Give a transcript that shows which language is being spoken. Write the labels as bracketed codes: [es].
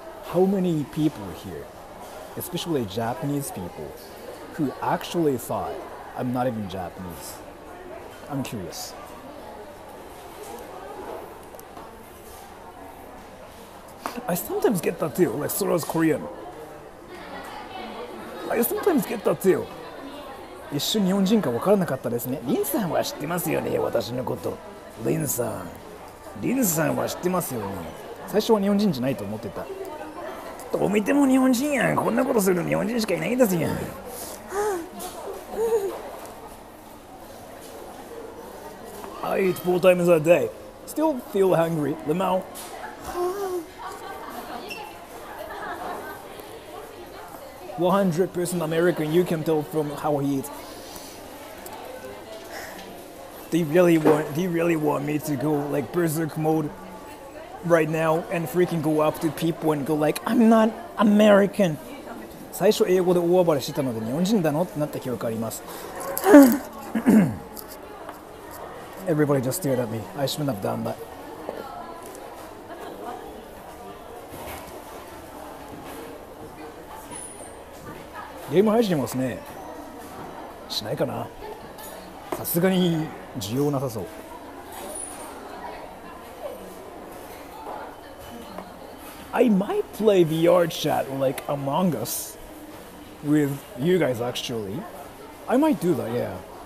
[en] How many people here, especially Japanese people, who actually thought I'm not even Japanese? I'm curious. I sometimes get that too, like Sora's Korean. I sometimes get that too. [ja] 一瞬日本人か分からなかったですね。リンさんは知ってますよね、私のこと。リンさん。リンさんは知ってますよね。最初は日本人じゃないと思ってた。どう見ても日本人やん。こんなことするの日本人しかいないですやん。 [en] I eat four times a day. Still feel hungry, Lemao. Huh. 100% American, you can tell from how he eats. Do you really want me to go like berserk mode right now and freaking go up to people and go like, I'm not American. [ja] 最初英語で大暴れしてたので日本人だのってなった記憶あります。 [en] Everybody just stared at me. I shouldn't have done that. [ja] ゲーム配信もですね。しないかな。さすがに需要なさそう。 [en] I might play VR chat like Among Us with you guys actually. I might do that, yeah.